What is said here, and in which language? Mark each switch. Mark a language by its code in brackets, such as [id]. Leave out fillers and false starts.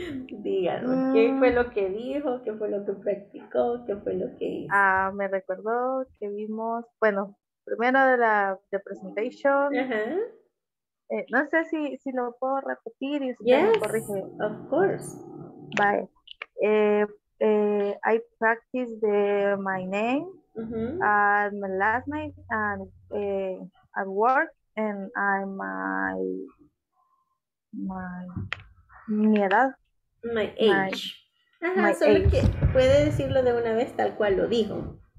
[es] Díganos, ¿qué fue lo que dijo? ¿Qué fue lo que practicó? ¿Qué fue lo que hizo? Me recuerdo que vimos, bueno, primero de la de presentation. No sé si lo puedo repetir y si me corrige. [en] Of course. Bye. I practice the my name and my last name and I work and I'm my edad. My age. [es] Que puede decirlo de una vez tal cual lo dijo.